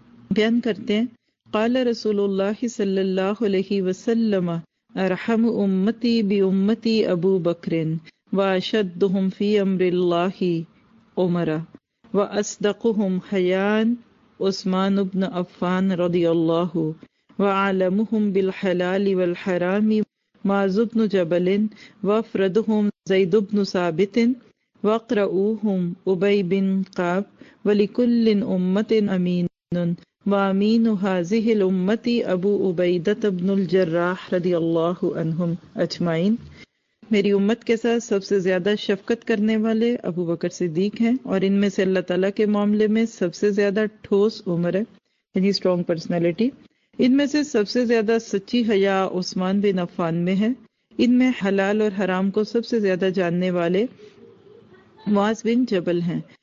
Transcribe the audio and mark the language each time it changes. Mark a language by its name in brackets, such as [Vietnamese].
[Urdu] بیان کرتے ہیں, [Arabic] قال رسول اللہ صلی اللہ علیہ وسلم ارحم امتی بی امتی ابو بکرن واشدہم فی امر اللہ عمر واصدقہم حیان عثمان ابن عفان رضی اللہ وعالمہم بالحلال والحرام معاذ بن جبل وافردهم زيد بن ثابت واقرؤوهم أبي بن كعب ولكل أمة أمين وأمين هذه الأمة أبو عبيدة بن الجراح رضي الله عنهم أجمعين. [Urdu] میری امت کے ساتھ سب سے زیادہ شفقت کرنے والے ابو بکر صدیق ہیں اور ان میں سے اللہ تعالیٰ کے معاملے میں سب سے زیادہ ٹھوس عمر ہے یعنی [English] Strong personality. [Urdu] ان میں سے سب سے زیادہ سچی حیا عثمان بن عفان میں ہے. ان میں حلال اور حرام کو سب سے زیادہ جاننے والے معاذ بن جبل ہیں.